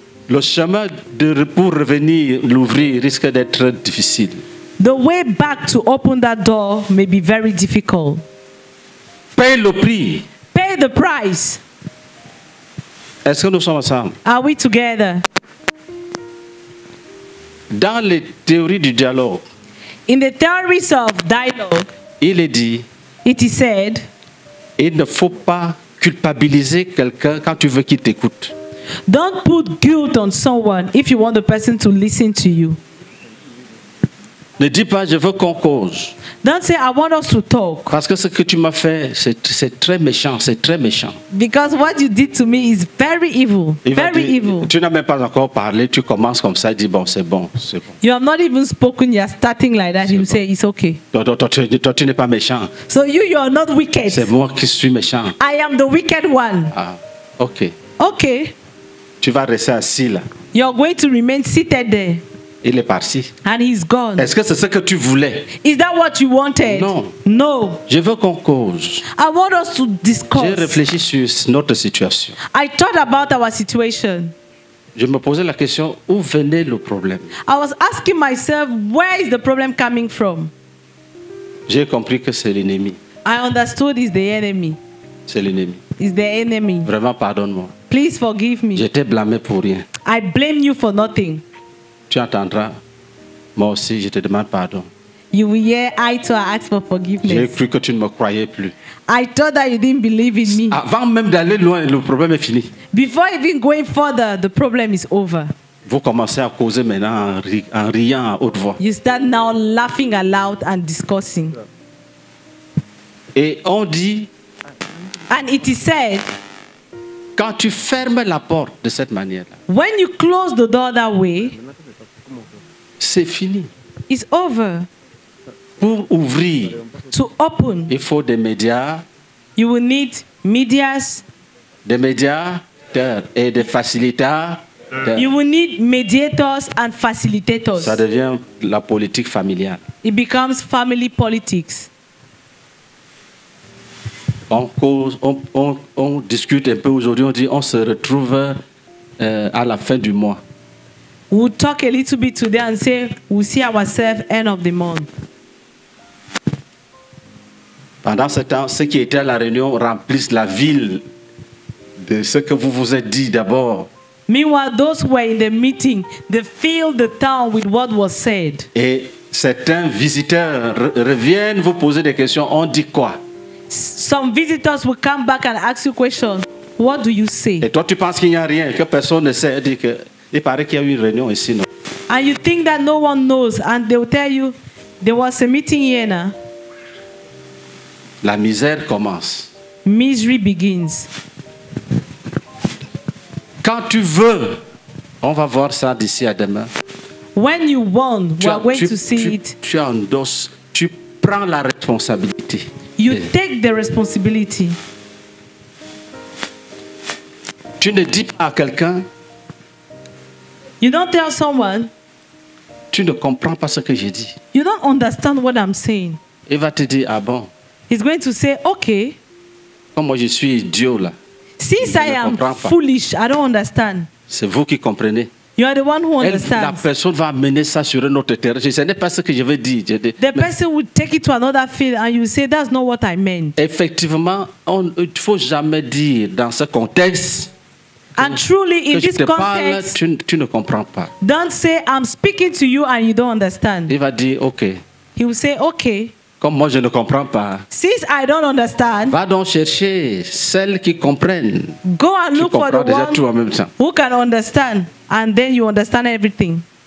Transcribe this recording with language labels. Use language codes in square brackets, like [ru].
[fr] Le chemin pour revenir l'ouvrir risque d'être difficile. [en] The way back to open that door may be very difficult. [fr] Paye le prix. [en] Pay the price. [fr] Est-ce que nous sommes ensemble? [en] Are we together? [fr] Dans les théories du dialogue. [en] In the theories of dialogue. [fr] Il est dit. [en] It is said. [fr] Il ne faut pas culpabiliser quelqu'un quand tu veux qu'il t'écoute. [en] Don't put guilt on someone if you want the person to listen to you. [fr] Ne dis pas je veux qu'on cause. [en] Don't say I want us to talk. [fr] Parce que ce que tu m'as fait c'est très méchant, c'est très méchant. [en] Because what you did to me is very evil. Evil. [fr] Tu n'as même pas encore parlé, tu commences comme ça, dis bon, c'est bon. [en] You have not even spoken, you are starting like that. You say it's okay. [fr] Toi tu n'es pas méchant. [en] So you are not wicked. [fr] C'est moi qui suis méchant. [en] I am the wicked one. Ah. OK. OK. [fr] Tu vas rester assis là. [en] You are going to remain seated there. [fr] Il est parti. [en] And he's gone. [fr] Est-ce que c'est ce que tu voulais? [en] Is that what you wanted? [fr] Non. [en] No. [fr] Je veux qu'on cause. [en] I want us to discuss. [fr] J'ai réfléchi sur notre situation. [en] I thought about our situation. [fr] Je me posais la question, où venait le problème? [en] I was asking myself, where is the problem coming from? [fr] J'ai compris que c'est l'ennemi. [en] I understood it's the enemy. [fr] C'est l'ennemi. [en] It's the enemy. [fr] Vraiment, pardonne-moi. [en] Please forgive me. [fr] Je t'ai blâmé pour rien. [en] I blame you for nothing. [fr] Tu entendras. Moi aussi, je te demande pardon. [en] You will hear, I too ask for forgiveness. [fr] J'ai cru que tu ne me croyais plus. [en] I thought that you didn't believe in me. [fr] Avant même d'aller loin, le problème est fini. [en] Before even going further, the problem is over. [fr] Vous commencez à causer maintenant en riant à haute voix. [en] You start now laughing aloud and discussing. [fr] Et on dit, [en] and it is said, [fr] quand tu fermes la porte de cette manière-là, [en] when you close the door that way, [fr] c'est fini. [en] It's over. [fr] Pour ouvrir, [en] to open, [fr] il faut des médias. [en] You will need medias, [fr] des médiateurs et des facilitateurs. [en] You will need mediators and facilitators. [fr] Ça devient la politique familiale. [en] It becomes family politics. [fr] On cause, on discute un peu aujourd'hui. On dit, on se retrouve à la fin du mois. [en] We'll talk a little bit today and say we'll see ourselves end of the month. [fr] Pendant ce temps, ceux qui étaient à la réunion remplissent la ville de ce que vous vous êtes dit d'abord. [en] Meanwhile, those who were in the meeting, they filled the town with what was said. [fr] Et certains visiteurs reviennent vous poser des questions. On dit quoi? [en] Some visitors will come back and ask you questions. What do you say? [fr] Et toi, tu penses qu'il n'y a rien, que personne ne sait, dit que il paraît qu'il y a eu une réunion ici, non? [en] And you think that no one knows, and they will tell you there was a meeting here now. [fr] La misère commence. [en] Misery begins. [fr] Quand tu veux, on va voir ça d'ici à demain. [en] When you want, we are going to see it. [fr] Tu endosses, tu prends la responsabilité. [en] You take the responsibility. [fr] Tu ne dis pas à quelqu'un. [en] You don't tell someone. [fr] Tu ne comprends pas ce que j'ai dit. [en] You don't understand what I'm saying. [fr] Il va te dire, ah bon. [en] He's going to say, okay. [fr] Comme moi, je suis idiot, là. [en] Since I am foolish, I don't understand. [fr] C'est vous qui comprenez. [en] You are the one who understands. [fr] La personne va mener ça sur un autre terrain. Ce n'est pas ce que je veux dire. [en] The person will take it to another field and you say, that's not what I meant. [fr] Effectivement, il ne faut jamais dire dans ce contexte. [en] And truly, in this context, [fr] parle, tu ne comprends pas. [en] Don't say, I'm speaking to you and you don't understand. [fr] Il va dire, okay. [en] He will say, okay. [fr] Comme moi, je ne comprends pas. [en] Since I don't understand, [fr] va donc chercher celles qui comprennent. [en] Go and look for the [fr] one tout en même temps. [en] Who can understand, and then you understand everything.